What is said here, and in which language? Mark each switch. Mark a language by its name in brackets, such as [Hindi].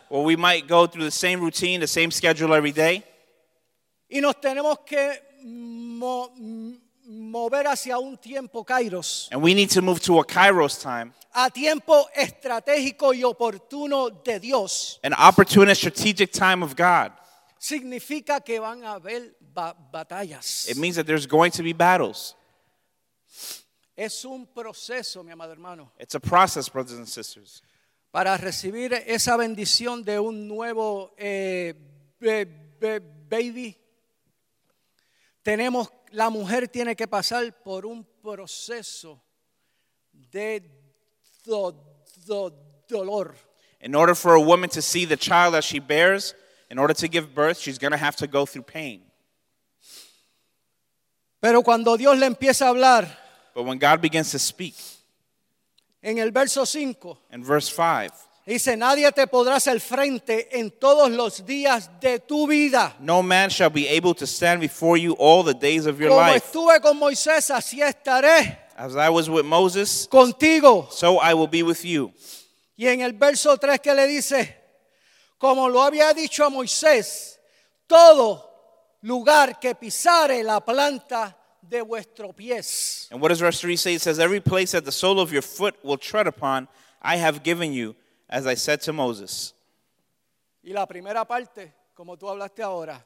[English] Or we might go through the same routine, the same schedule every day. [Spanish] Y nos tenemos que mover hacia un tiempo kairos. [English] And we need to move to a kairos time. [Spanish] A tiempo estratégico y oportuno de Dios. [English] An opportune and strategic time of God. [Spanish] Significa que van a haber batallas. [English] It means that there's going to be battles. [Spanish] Es un proceso, mi amado hermano. [English] It's a process, brothers and sisters. [Spanish] Para recibir esa bendición de un nuevo baby, tenemos, la mujer tiene que pasar por un proceso de dolor. [English] In order for a woman to see the child that she bears, in order to give birth, she's going to have to go through pain. [Spanish] Pero cuando Dios le empieza a hablar, [English] but when God begins to speak, [Spanish] en el verso 5, [English] in verse 5, [Spanish] dice, nadie te podrá hacer frente en todos los días de tu vida. [English] No man shall be able to stand before you all the days of your [Spanish] como [English] life. [Spanish] Estuve con Moisés, así estaré. [English] As I was with Moses, [Spanish] contigo, [English] so I will be with you. [Spanish] Y en el verso 3 que le dice, como lo había dicho a Moisés, todo lugar que pisare la planta de vuestro pies. [English] And what does verse 3 say? It says, every place that the sole of your foot will tread upon, I have given you, as I said to Moses. [Spanish] Y la primera parte, como tú hablaste ahora,